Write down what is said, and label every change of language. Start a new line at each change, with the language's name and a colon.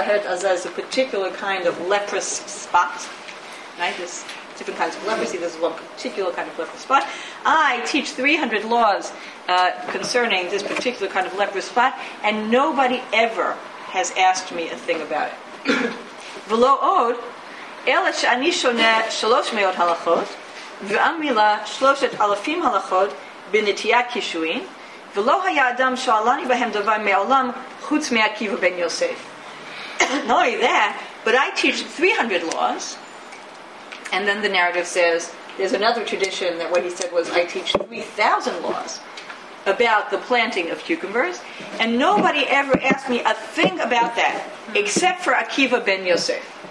English: Baheret Azah is a particular kind of leprous spot, right? There's different kinds of leprosy. This is one particular kind of leprous spot. I teach 300 laws concerning this particular kind of leprous spot, and nobody ever has asked me a thing about it.
Hebrew: V'lo od, אלא שאני שונה 300 הלכות, ואמילה 3,000 הלכות בנטייה קישואין, ולא היה אדם שואלני בהם דבר מעולם חוץ מעקיבא בן יוסף.
English: Not only that, but I teach 300 laws, and then the narrative says, there's another tradition that what he said was, I teach 3,000 laws about the planting of cucumbers, and nobody ever asked me a thing about that, except for Akiva ben Yosef.